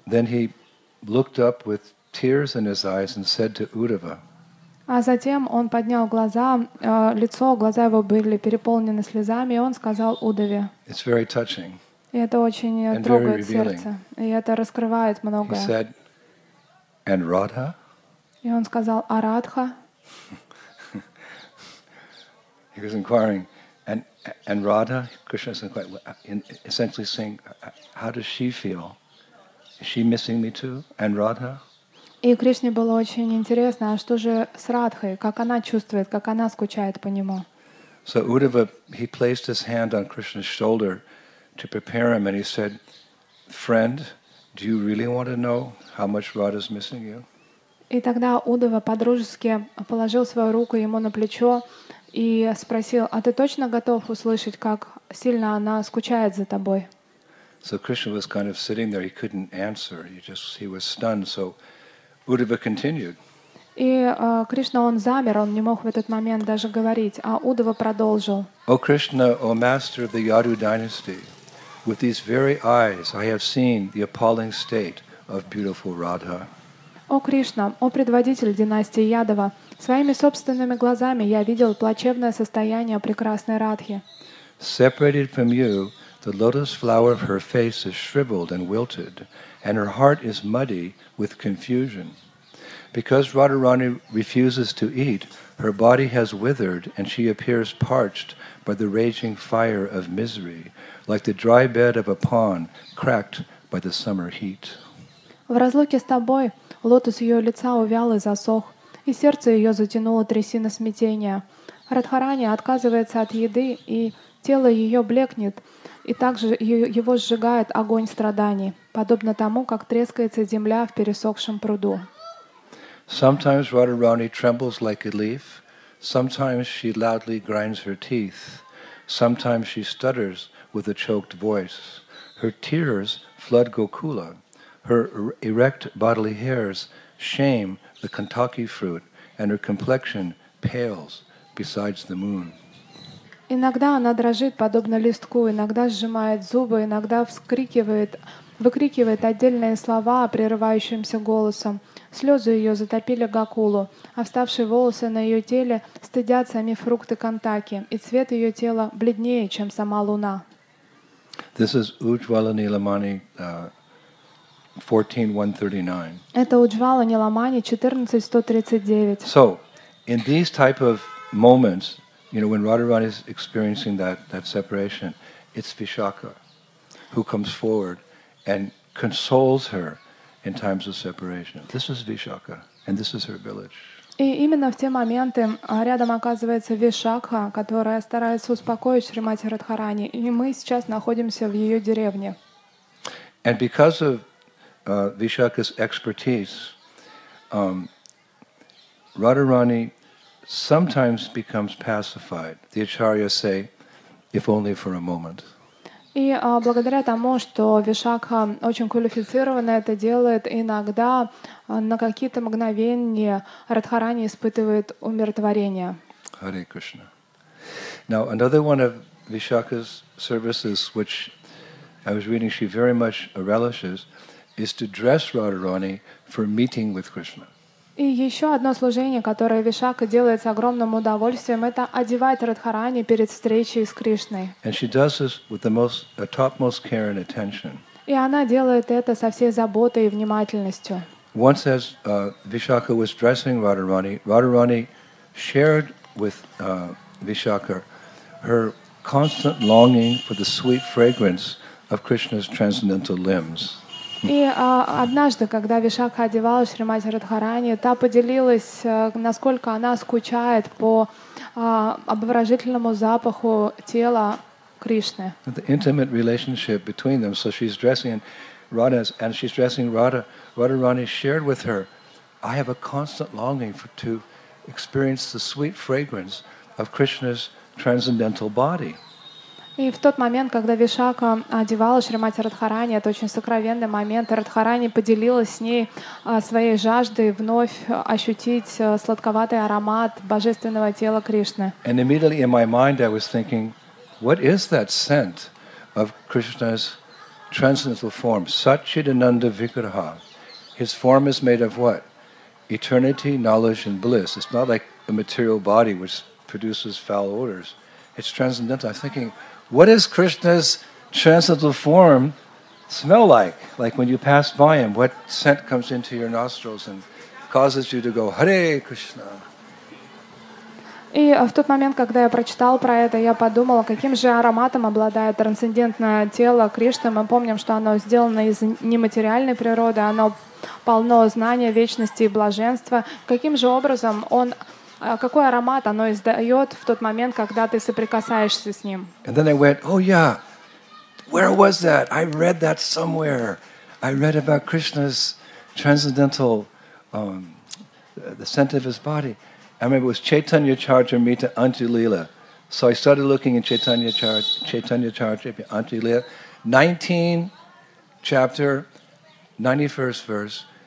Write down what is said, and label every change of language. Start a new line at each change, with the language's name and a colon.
English: Then he looked up with tears in his eyes and said to Uddhava.
Russian: А затем он поднял глаза, лицо, глаза его были переполнены слезами, и он сказал Удаве.
English: It's very touching.
Russian: И это очень трогает сердце, и это раскрывает многое.
English: He said, "And Radha?"
Russian: И он сказал, "А Радха?"
English: He was inquiring, and Radha, Krishna is inquiring, essentially saying, how does she feel? Is she missing me too? And Radha?
Russian: И Кришне было очень интересно, а что же с Радхой? Как она чувствует? Как она скучает по нему?
English: So Uddhava, he placed his hand on Krishna's shoulder to prepare him, and he said, friend, do you really want to know how much Radha is missing you?
Russian: И тогда Uddhava по-дружески положил свою руку ему на плечо, и спросил, а ты точно готов услышать, как сильно она скучает за тобой?
English: So Krishna was kind of sitting there, he couldn't answer, he was stunned, so Uddhava continued.
Russian: И Кришна, он замер, он не мог в этот момент даже говорить, а Uddhava продолжил.
English: O Krishna, O master of the Yadu dynasty, with these very eyes I have seen the appalling state of beautiful Radha.
Russian: О Кришна, о предводитель династии Ядова, своими собственными глазами я видел плачевное состояние прекрасной Радхи.
English: Separated from you, the lotus flower of her face is shriveled and wilted, and her heart is muddy with confusion. Because Radharani refuses to eat, her body has withered, and she appears parched by the raging fire of misery, like the dry bed of a pond cracked by the summer heat.
Russian: В разлуке с тобой лотос ее лица увял и засох, и сердце ее затянуло трясина смятения. Радхарани отказывается от еды, и тело ее блекнет, и также его сжигает огонь страданий, подобно тому, как трескается земля в пересохшем пруду.
English: Sometimes Radharani trembles like a leaf, sometimes she loudly grinds her teeth, sometimes she stutters with a choked voice. Her tears flood Gokula. Her erect bodily hairs shame the Kantaki fruit, and her complexion pales beside the moon.
Russian: Иногда она дрожит, подобно листку, иногда сжимает зубы, иногда выкрикивает отдельные слова прерывающимся голосом. Слезы ее затопили Гокулу, а вставшие волосы на ее теле стыдят сами фрукты Кантаки, и цвет ее тела бледнее, чем сама луна.
English: This is Ujjvala Nilamani, 14.139.
Russian: Это Ujjvala Nilamani 14.139.
English: So, in these type of moments, you know, when Radharani is experiencing that separation, it's Vishakha who comes forward and consoles her in times of separation. This is Vishakha, and this is her village.
Russian: И именно в те моменты рядом оказывается Вишакха, которая старается успокоить Шримати Радхарани, и мы сейчас находимся в ее деревне.
English: And because of Vishakha's expertise, Radharani sometimes becomes pacified. The acharyas say, if only for a moment.
Russian: И благодаря тому, что Вишакха очень квалифицированно это делает, иногда на какие-то мгновения Радхарани испытывает умиротворение.
English: Hare Krishna. Now, another one of Vishakha's services, which I was reading she very much relishes, is to dress Radharani for meeting with Krishna.
Russian: И еще одно служение, которое Вишакха делает с огромным удовольствием, это одевать Радхарани перед встречей с Кришной.
English: And she does this with the most, the topmost care and attention.
Russian: И она делает это со всей заботой и внимательностью.
English: Once as Vishakha was dressing Radharani, Radharani shared with Vishakha her constant longing for the sweet fragrance of Krishna's transcendental limbs.
Russian: И однажды, когда Вишакха одевала Шримати Радхарани, та поделилась, насколько она скучает по обворожительному запаху тела Кришны.
English: The intimate relationship between them, so she's dressing Radha, and she's dressing Radha. Radharani shared with her, I have a constant longing for, to experience the sweet fragrance of Krishna's transcendental body.
Russian: И в тот момент, когда Вишакха одевала Шримати Радхарани, это очень сокровенный момент, Радхарани поделилась с ней своей жаждой вновь ощутить сладковатый аромат божественного тела Кришны.
English: And immediately in my mind I was thinking, what is that scent of Krishna's transcendental form? Satchidananda Vigraha. His form is made of what? Eternity, knowledge and bliss. It's not like a material body which produces foul odors. It's transcendental. I was thinking, what is Krishna's transcendental form smell like? Like when you pass by him, what scent comes into your nostrils and causes you to go, Hare Krishna?
Russian: И в тот момент, когда я прочитал про это, я подумала, каким же ароматом обладает трансцендентное тело Кришны. Мы помним, что оно сделано из нематериальной природы, оно полно знания, вечности и блаженства. Каким же образом он... Какой аромат оно издает в тот момент, когда ты соприкасаешься с ним?
English: And then I went, oh yeah, where was that? I read that somewhere. I read about Krishna's transcendental, the scent of his body. I remember it was Chaitanya Charitamrita Antilila. So I started looking in Chaitanya Charitamrita Antilila, 19 chapter, 91st verse.